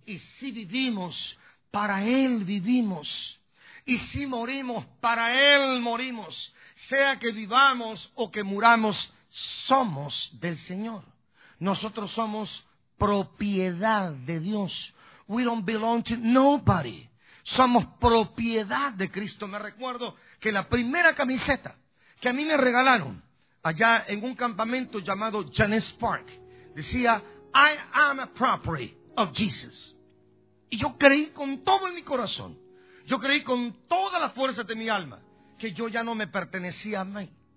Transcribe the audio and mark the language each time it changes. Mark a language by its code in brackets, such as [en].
[es] Y si vivimos, para Él vivimos. Y si morimos, para Él morimos. Sea que vivamos o que muramos, somos del Señor. Nosotros somos propiedad de Dios. [en] We don't belong to nobody. [es] Somos propiedad de Cristo. Me recuerdo que la primera camiseta que a mí me regalaron allá en un campamento llamado Janes Park decía, [en] I am a property of Jesus. [es] Y yo creí con todo en mi corazón, yo creí con toda la fuerza de mi alma que yo ya no me pertenecía a mí.